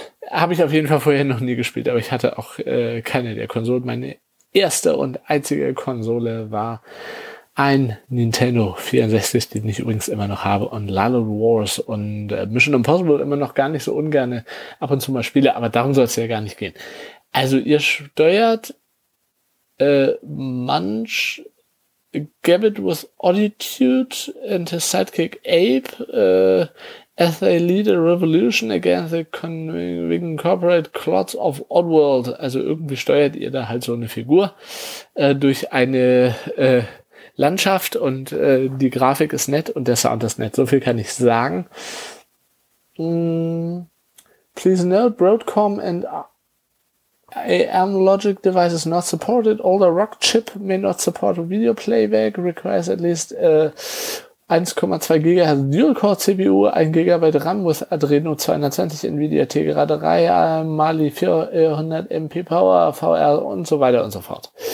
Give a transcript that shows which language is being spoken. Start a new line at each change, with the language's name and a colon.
German: Habe ich auf jeden Fall vorher noch nie gespielt, aber ich hatte auch keine der Konsolen. Meine erste und einzige Konsole war ein Nintendo 64, den ich übrigens immer noch habe, und Lalo Wars und Mission Impossible immer noch gar nicht so ungern ab und zu mal spiele, aber darum soll es ja gar nicht gehen. Also ihr steuert
English: Munch, Gabbit with Attitude and his sidekick Abe, as they lead a revolution against the convincing corporate clots of Oddworld.
German: Also irgendwie steuert ihr da halt so eine Figur durch eine Landschaft, und die Grafik ist nett und der Sound ist nett. So viel kann ich sagen.
English: Please note, Broadcom and AM logic devices not supported. Older Rock chip may not support video playback. Requires at least 1,2 GHz Dual-Core CPU, 1 GB RAM with Adreno 220, Nvidia Tegra 3, Mali 400 MP Power, VR
German: und so weiter und so fort.